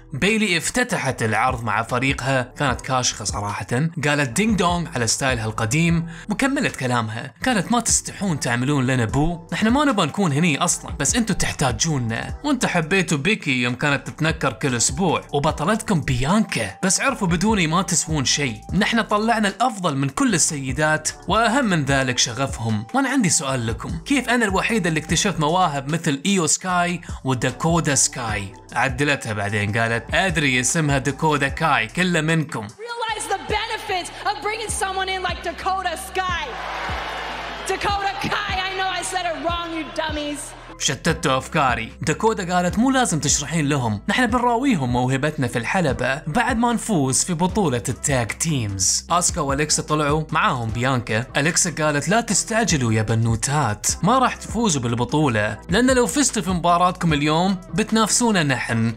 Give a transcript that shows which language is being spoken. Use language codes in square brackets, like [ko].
[ar] بيلي افتتحت العرض مع فريقها، كانت كاشخة صراحة، قالت دينغ دونغ على ستايلها القديم، وكملت كلامها، كانت ما تستحون تعملون لنا بو، نحن ما نبغى نكون هني اصلا، بس انتو تحتاجوننا، وانتو حبيتوا بيكي يوم كانت تتنكر كل اسبوع، وبطلتكم بيانكا، بس عرفوا بدوني ما تسوون شيء، نحن طلعنا الافضل من كل السيدات، واهم من ذلك شغفهم، وانا عندي سؤال لكم، كيف انا الوحيدة اللي اكتشفت مواهب مثل ايو سكاي وداكودا سكاي؟ عدلتها بعدين، قالت أدري اسمها داكودا كاي كل منكم. [en] Realize the benefits of bringing someone in like Dakota Sky. Dakota Kai, I know I said it wrong, you dummies. [ar] شتتوا أفكاري. داكودا قالت مو لازم تشرحين لهم، نحن بنراويهم موهبتنا في الحلبة بعد ما نفوز في بطولة التاج تيمز. آسكا وأليكسا طلعوا معاهم بيانكا. أليكسا قالت لا تستعجلوا يا بنوتات، ما راح تفوزوا بالبطولة، لأن لو فزتوا في مباراتكم اليوم بتنافسونا نحن.